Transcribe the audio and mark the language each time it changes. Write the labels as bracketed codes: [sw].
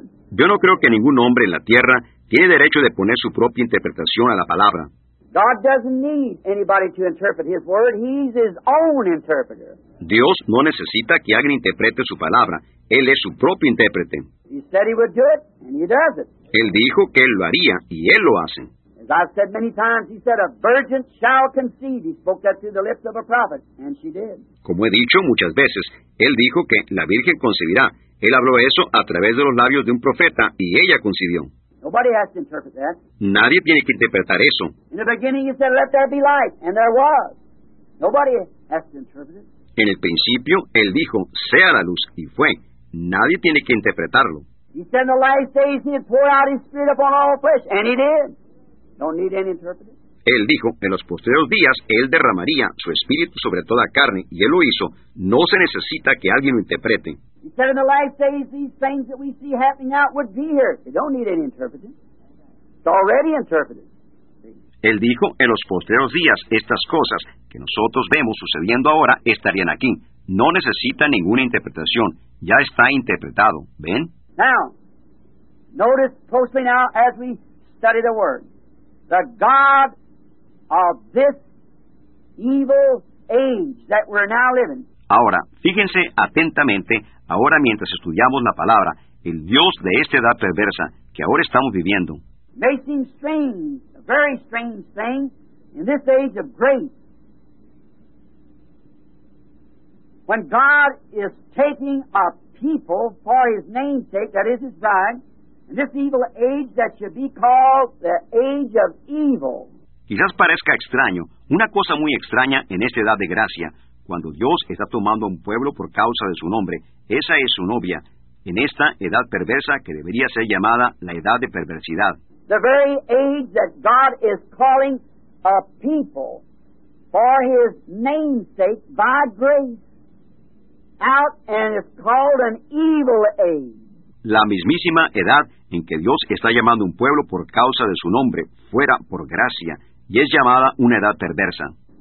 [es] Yo no creo que ningún hombre en la tierra tiene derecho de poner su propia interpretación a la palabra. [en] God doesn't need anybody to interpret His word. He's His own interpreter. [es] Dios no necesita que alguien interprete su palabra. Él es su propio intérprete. [en] He said He would do it, and He does it. [es] Él dijo que Él lo haría, y Él lo hace. [en] As I've said many times, He said, a virgin shall conceive. He spoke that through the lips of a prophet, and she did. [es] Como he dicho muchas veces, Él dijo que la virgen concebirá. Él habló eso a través de los labios de un profeta, y ella concibió. [en] Nobody has to interpret that. [es] Nadie tiene que interpretar eso. [en] In the beginning He said, let there be light, and there was. Nobody has to interpret it. [es] En el principio, Él dijo, sea la luz, y fue. Nadie tiene que interpretarlo. [en] He said, the light says He'd pour out His Spirit upon all flesh, and He did. Don't need any interpreter. [es] Él dijo, en los posteriores días, Él derramaría su Espíritu sobre toda carne, y Él lo hizo. No se necesita que alguien lo interprete. [en] He said, in the last days, these things that we see happening out would be here. They don't need any interpreting. It's already interpreted. [es] Él dijo, en los posteriores días, estas cosas que nosotros vemos sucediendo ahora estarían aquí. No necesita ninguna interpretación. Ya está interpretado. ¿Ven? [en] Now, notice closely now as we study the word. The God of this evil age that we're now living. [es] Ahora, fíjense atentamente, ahora mientras estudiamos la palabra, el Dios de esta edad perversa que ahora estamos viviendo. [en] May seem strange, a very strange thing, in this age of grace, when God is taking a people for His namesake, that is His bride, in this evil age that should be called the age of evil. [es] Quizás parezca extraño, una cosa muy extraña en esta edad de gracia, cuando Dios está tomando a un pueblo por causa de su nombre, esa es su novia, en esta edad perversa que debería ser llamada la edad de perversidad. [en] The very age that God is calling a people for His namesake by grace out and is called an evil age. [es] La mismísima edad en que Dios está llamando a un pueblo por causa de su nombre, fuera por gracia, y es llamada una edad perversa.